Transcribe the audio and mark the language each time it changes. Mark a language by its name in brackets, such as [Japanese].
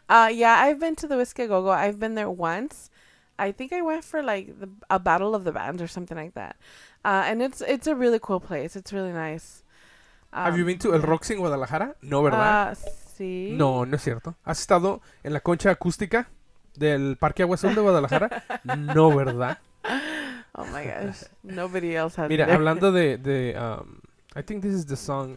[English] Yeah, I've been to the Whiskey Go-Go. I've been there once. I think I went for like a battle of the bands or something like that. And it's a really cool place. It's really nice. Have you been to El Roxy in Guadalajara? [Spanish] No, ¿verdad? Sí. No, no es cierto. ¿Has estado en la concha acústica del Parque Agua Azul de Guadalajara? No, ¿verdad? [English] Oh my gosh. Nobody else has. [Spanish] Mira, hablando de [English] I think this is the song.